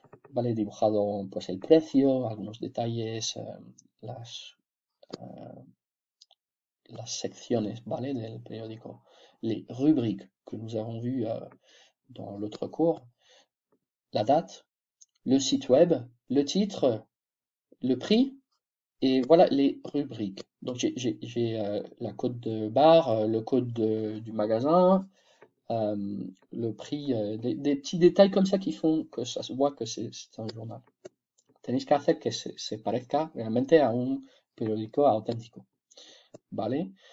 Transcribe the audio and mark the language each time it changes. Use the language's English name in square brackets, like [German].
[Spanish] Vale, he dibujado pues el precio, algunos detalles, las secciones, ¿vale? Del periódico. [French] Les rubriques que nous avons vues dans l'autre cours. La date, le site web, le titre, le prix, et voilà les rubriques. Donc j'ai la cote de barre, le code du magasin, le prix, des petits détails comme ça qui font que ça se voit que c'est un journal. [Spanish] Tenéis que hacer que se parezca realmente a un periódico auténtico. ¿Vale?